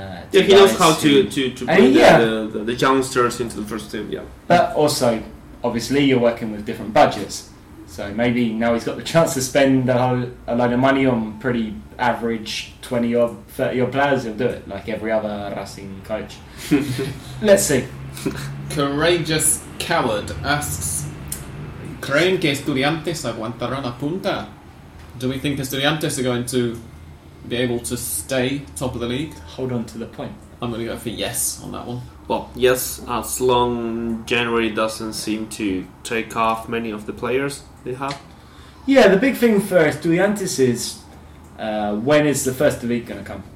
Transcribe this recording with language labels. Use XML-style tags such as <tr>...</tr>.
<en>He knows how to bring the youngsters into the first team. Yeah, but also obviously you're working with different budgets, so maybe now he's got the chance to spend a load of money on pretty average 20 or 30 odd players. He'll do it like every other Racing coach. Let's see. Courageous Coward asks,</en> <es>¿creen que Estudiantes aguantarán la punta?</es> <en>Do we think Estudiantes are going to be able to stay top of the league? Hold on to the point. I'm going to go for yes on that one. Well, yes, as long January doesn't seem to take off many of the players they have. Yeah, the big thing for Estudiantes is when is the first league going to come?</en>